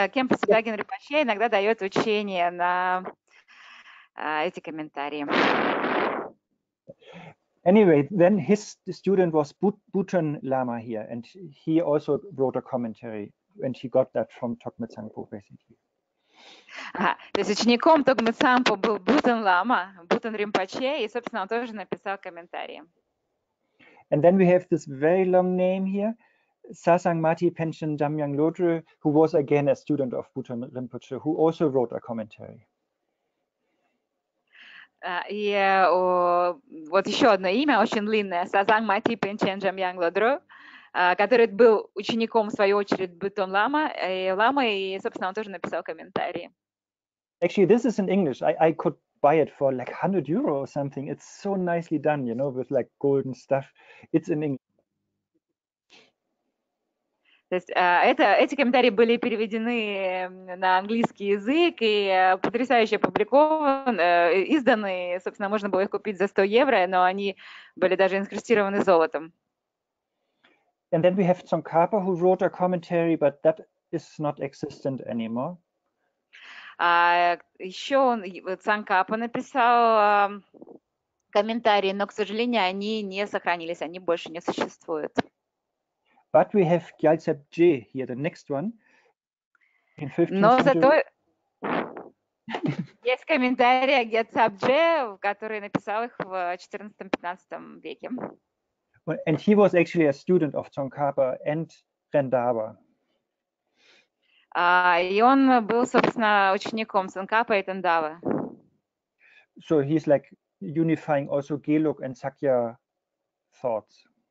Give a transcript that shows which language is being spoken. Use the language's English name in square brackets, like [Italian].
[Russian] Kempo Sodagen Rinpoche иногда дает учение на эти комментарии. [English] Anyway, then his student was Bhutan Lama here, and he also wrote a commentary, and he got that from Thokme Tsangpo, basically. [Russian] То есть учеником Thokme Tsangpo был Бутан Лама, Бутан Ринпоче, и, собственно, он тоже написал комментарии. [English] And then we have this very long name here, Sasangmati Panchen Damyang Lodre, who was again a student of Bhutan Rinpoche, who also wrote a commentary. [Russian] И вот еще одно имя, очень длинное, Сазангмати Пенчен Джамьянг Лодро, который был учеником, в свою очередь, Бутон Лама, и, собственно, он тоже написал комментарии. [English] Actually, this is in English. I could buy it for like 100 euro or something. It's so nicely done, you know, with like golden stuff. It's in English. [Russian] То есть эти комментарии были переведены на английский язык и потрясающе опубликованы, изданы. Собственно, можно было их купить за 100 евро, но они были даже инкрустированы золотом. [English] And then we have Tsongkhapa, who wrote a commentary, but that is not existent anymore. [Russian] Еще Tsongkhapa написал комментарии, но, к сожалению, они не сохранились, они больше не существуют. [English] But we have Gyaltsep Je here, the next one. In 15th century. [Russian] Есть комментарии о Gyaltsep Je, который написал их в 14-15 веке. [English] And he was actually a student of Tsongkhapa and Rendaba. [Russian] И он был, собственно, учеником Tsongkhapa и Rendaba. [English] So he's like unifying also Gelug and Sakya thoughts.